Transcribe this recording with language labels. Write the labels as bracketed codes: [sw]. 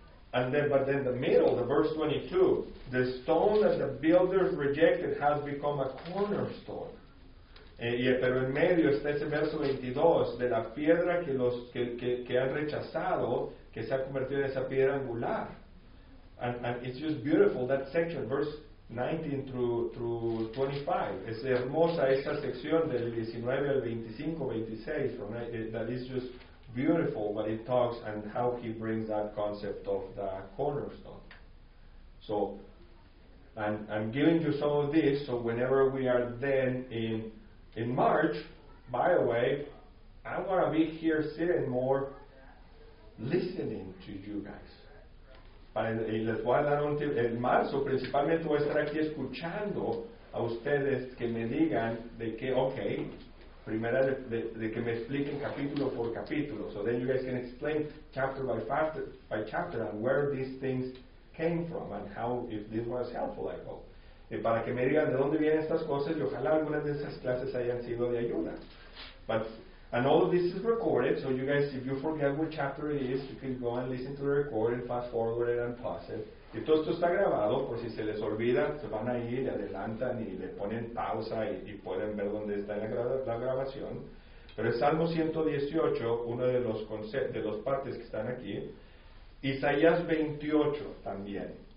[en] But then the middle, the verse 22, the stone that the builders rejected has become a cornerstone. [es] Pero en medio está ese verso 22, de la piedra que han rechazado, que se ha convertido en esa piedra angular. [en] And it's just beautiful, that section, verse 19 through 25. [es] Es hermosa esa sección del 19 al 25, 26. [en] That is just beautiful, but it talks and how he brings that concept of the cornerstone. So, and I'm giving you some of this, so whenever we are then in March, by the way, I want to be here sitting more listening to you guys. [es] Y les voy a dar un tip. En marzo principalmente voy a estar aquí escuchando a ustedes que me digan de que, okay, primera de que me expliquen capítulo por capítulo. [en] So then you guys can explain chapter by chapter, and where these things came from and how, if this was helpful, I hope. [es] Para que me digan de dónde vienen estas cosas y ojalá algunas de esas clases hayan sido de ayuda. [en] But, and all of this is recorded, so you guys, if you forget what chapter it is, you can go and listen to the recording, fast forward it and pause it. [es] Y todo esto está grabado, por si se les olvida, se van a ir, le adelantan y le ponen pausa y pueden ver dónde está la grabación. Pero el Salmo 118, uno de los conceptos, de las partes que están aquí, Isaías 28 también.